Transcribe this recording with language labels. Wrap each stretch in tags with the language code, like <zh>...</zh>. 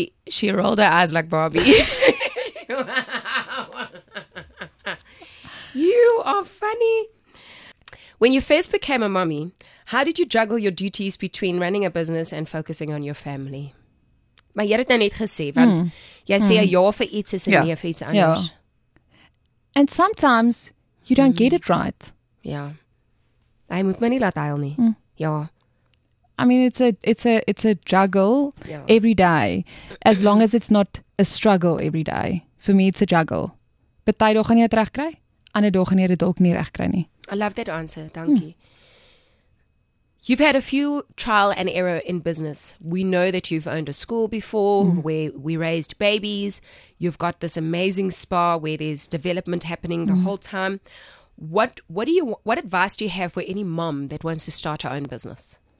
<en>She rolled her eyes like Barbie. You are funny. When you first became a mommy, how did you juggle your duties between running a business and focusing on your family?</en> <af>Maar jy het nou net gesê, want jy sê 'n jaar vir iets is en nie vir iets anders.</af> <en>Yeah. And sometimes you don't get it right.</en> <af>Ja. Hy moet my nie laat huil nie. Mm. Ja.</af> <en>I mean, it's a juggle every day, as long as it's not a struggle every day. For me, it's a juggle.</en> <af>Party dag gaan jy dit regkry, ander dag gaan jy dit dalk nie regkry nie.</af> <en>I love that answer. Thank you. You've had a few trial and error in business. We know that you've owned a school before where we raised babies. You've got this amazing spa where there's development happening the whole time. What advice do you have for any mom that wants to start her own business?</en>